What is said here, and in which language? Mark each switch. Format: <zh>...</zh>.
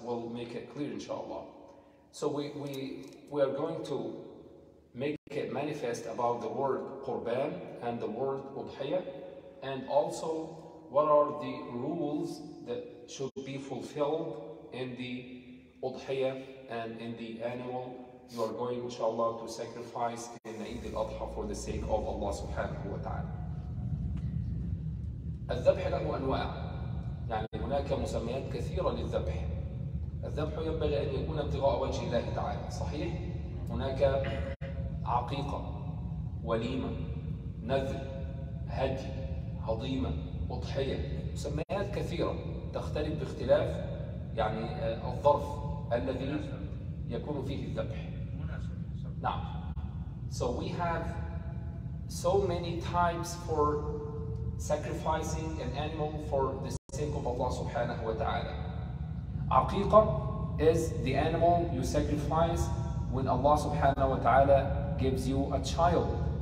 <en>We'll make it clear, inshallah. So we are going to make it manifest about the word Qurban and the word Udhiyah, and also what are the rules that should be fulfilled in the Udhiyah and in the annual you are going, inshallah, to sacrifice in Eid al-Adha for the sake of Allah subhanahu wa ta'ala.</en> <ar>الذبح له أنواع. يعني هناك مسميات كثيرة للذبح. الذبح ينبغي أن يكون ابتغاء وجه الله تعالى، صحيح؟ هناك عقيقة، وليمة، نذر، هدي، عظيمة، أضحية، مسميات كثيرة تختلف باختلاف يعني الظرف الذي يكون فيه الذبح. نعم.</ar> <en>So we have so many types for sacrificing an animal for this sake of Allah subhanahu wa ta'ala. Aqiqa is the animal you sacrifice when Allah subhanahu wa ta'ala gives you a child.</en>